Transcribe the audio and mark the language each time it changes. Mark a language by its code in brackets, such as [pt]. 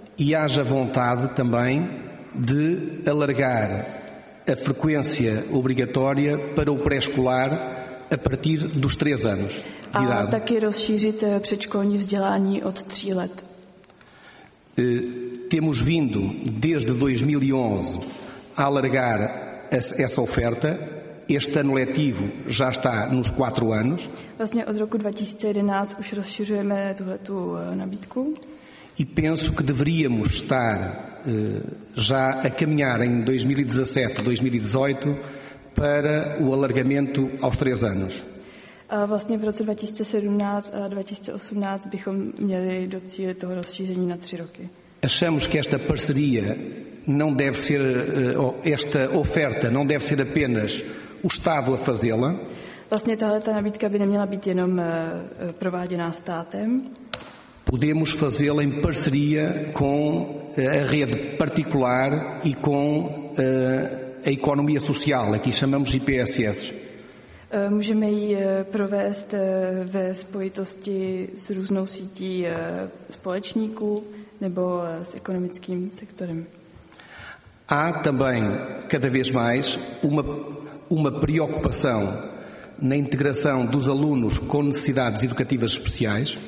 [pt] E haja vontade também de alargar a frequência obrigatória para o pré-escolar a partir dos 3 anos de a idade. [cs] A taky rozšířit předškolní vzdělání od 3 let. [pt] Temos vindo desde 2011 a alargar essa oferta. Este ano letivo já está nos 4 anos. [cs] Vlastně od roku 2011 už rozšiřujeme tuhletu nabídku. [pt] E penso que deveríamos estar já a caminhar em 2017-2018 para o alargamento aos 3 anos. [cs] A vlastně v roce 2017 a 2018 bychom měli do cíle toho rozšíření na 3 roky. [pt] Achamos que esta parceria não deve ser, esta oferta não deve ser apenas o Estado a fazê-la. [cs] Vlastně tahle ta nabídka by neměla být jenom prováděná státem. [pt] Podemos fazê-la em parceria com a rede particular e com a economia social, aqui chamamos IPSS. [cs] Můžeme ji provést ve spojitosti s různou sítí společníků nebo s ekonomickým sektorem. [pt] Há também, cada vez mais, uma preocupação na integração dos alunos com necessidades educativas especiais.